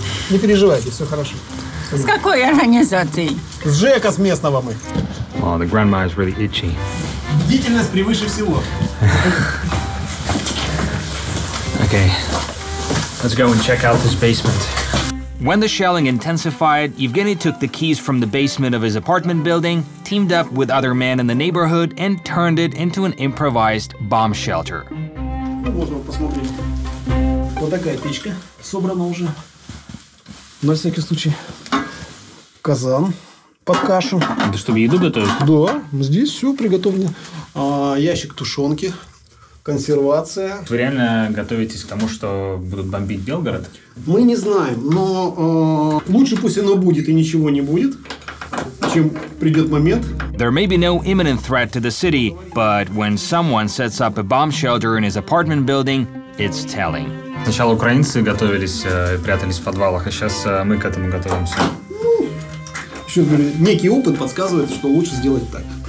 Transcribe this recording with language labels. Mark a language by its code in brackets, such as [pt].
[ru] Не переживайте, все хорошо. С какой организацией? С ЖЭКа, с местного мы. [en] О, the grandma is really itchy. [ru] Бдительность превыше всего. [en] Okay, let's go and check out this basement. When the shelling intensified, Evgeny took the keys from the basement of his apartment building, teamed up with other men in the neighborhood, and turned it into an improvised bomb shelter. [ru] Вот такая печка собрана уже. На всякий случай. Казан под кашу. Это чтобы еду готовить? Да, здесь все приготовлено. А, ящик тушенки, консервация. Вы реально готовитесь к тому, что будут бомбить Белгород? Мы не знаем, но лучше пусть оно будет и ничего не будет. [en] There may be no imminent threat to the city, but when someone sets up a bomb shelter in his apartment building, it's telling. [ru] Сначала украинцы готовились и прятались в подвалах, а сейчас мы к этому готовимся. Ну, еще говорю, некий опыт подсказывает, что лучше сделать так.